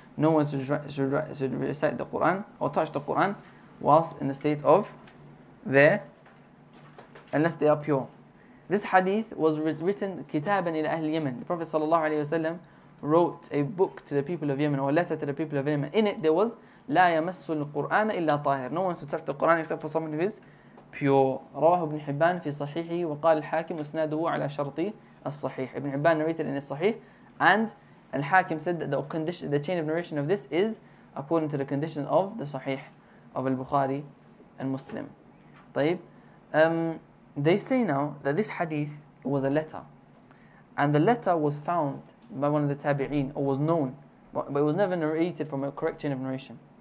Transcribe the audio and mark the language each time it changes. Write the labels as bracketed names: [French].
[English] No one should recite the Quran or touch the Quran whilst in the state of there unless they are pure. This hadith was written [Arabic] كِتَابًا إِلَى أَهْلِ يَمَنِ. [English] The Prophet sallallahu alayhi wa sallam wrote a book to the people of Yemen, or a letter to the people of Yemen. In it, there was [Arabic] لا يمس القرآن إلا طاهر. [English] No one should touch the Quran except for someone who is pure. [Arabic] رواه ابن حبان في صحيحه وقال الحاكم أسناده على شرطي الصحيح. [English] Ibn Hibban narrated in his Sahih, and al-Hakim said that the chain of narration of this is according to the condition of the Sahih of al-Bukhari and Muslim. طيب. They say now that this hadith was a letter, and the letter was found by one of the tabi'een, or was known, but it was never narrated from a correct chain of narration.